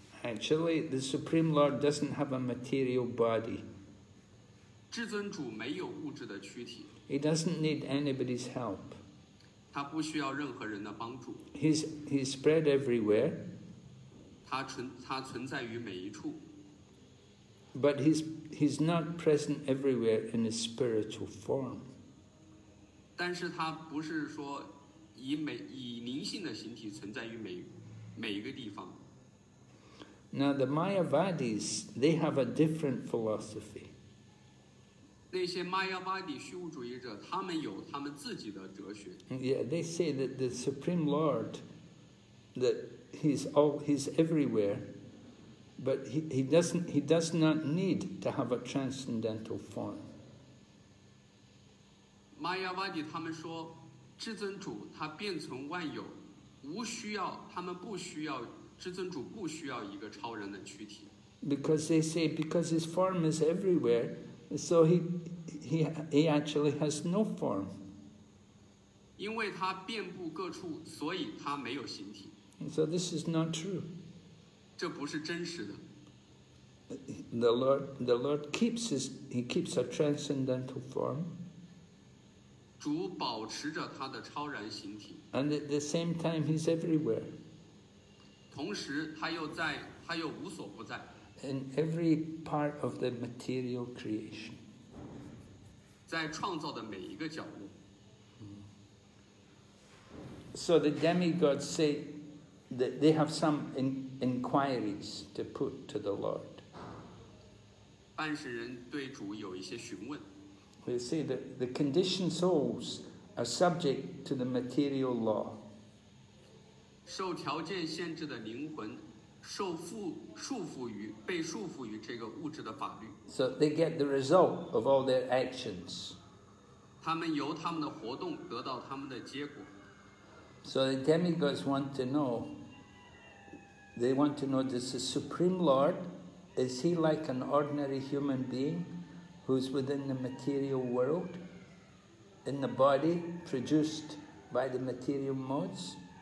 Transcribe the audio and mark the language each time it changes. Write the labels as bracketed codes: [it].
[en] Actually, the Supreme Lord doesn't have a material body. [zh] 至尊主没有物质的躯体。 [en] He doesn't need anybody's help. [zh] 他不需要任何人的帮助。 [en] He's spread everywhere. [zh] 他存在于每一处。 [en] But he's not present everywhere in his spiritual form. [zh] 但是他不是说以灵性的形体存在于每一个地方。 [en] Now the Mayavadis, they have a different philosophy. [zh] 那些 Mayavadi 虚无主义者，他们有他们自己的哲学。 [en] Yeah, they say that the Supreme Lord, that he's everywhere. But he does not need to have a transcendental form. [zh] Mayavadi 他们说，至尊主他变存万有，无需要他们不需要至尊主不需要一个超人的躯体。 [en] Because they say because his form is everywhere, so he actually has no form. [zh] 因为他遍布各处，所以他没有形体。 [en] So this is not true. [zh] 这不是真实的。 [en] The Lord keeps his, he keeps a transcendental form. [zh] 主保持着他的超然形体。 [en] And at the same time, he's everywhere. [zh] 同时他又无所不在。 [en] In every part of the material creation. [zh] 在创造的每一个角落。 [en] So the demigods say,they have some inquiries to put to the Lord. [zh] 半世人对主有一些询问。 [en] They say that the conditioned souls are subject to the material law. [zh] 受条件限制的灵魂受束缚于被束缚于这个物质的法律。 [en] So they get the result of all their actions. [zh] 他们由他们的活动得到他们的结果。 [en] So the demigods want to know. They want to know, does the Supreme Lord, is he like an ordinary human being who's within the material world, in the body produced by the material modes?